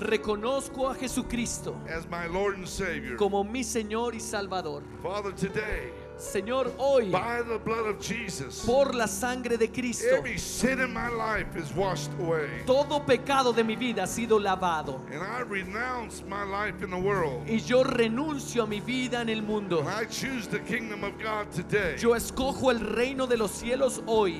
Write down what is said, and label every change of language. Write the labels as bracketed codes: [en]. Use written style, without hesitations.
[es] Reconozco a Jesucristo. [en] As my Lord and Savior. [es] Como mi Señor y Salvador. [en] Father, today. [es] Señor, hoy, [en] by the blood of Jesus, [es] por la sangre de Cristo, [en] every sin in my life is washed away. [es] Todo pecado de mi vida ha sido lavado. [en] And I renounce my life in the world. [es] Y yo renuncio a mi vida en el mundo. [en] And I choose the kingdom of God today. [es] Yo escojo el reino de los cielos hoy.